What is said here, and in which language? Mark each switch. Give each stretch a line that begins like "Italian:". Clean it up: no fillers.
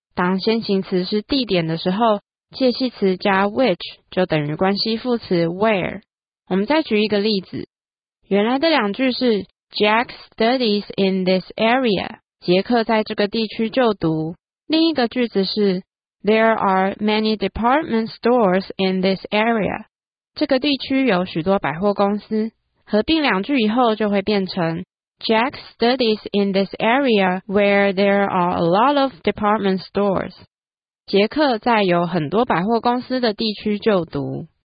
Chinese: 当先行词是地点的时候，介系词加 which 就等于关系副词 where。我们再举一个例子。原来的两句是
English: Jack studies in this area.
Chinese: 杰克在这个地区就读。另一个句子是
English: There are many department stores in this area.
Chinese: 这个地区有许多百货公司。合并两句以后就会变成
English: Jack studies in this area where there are a lot of department stores.
Chinese: 杰克在有很多百货公司的地区就读。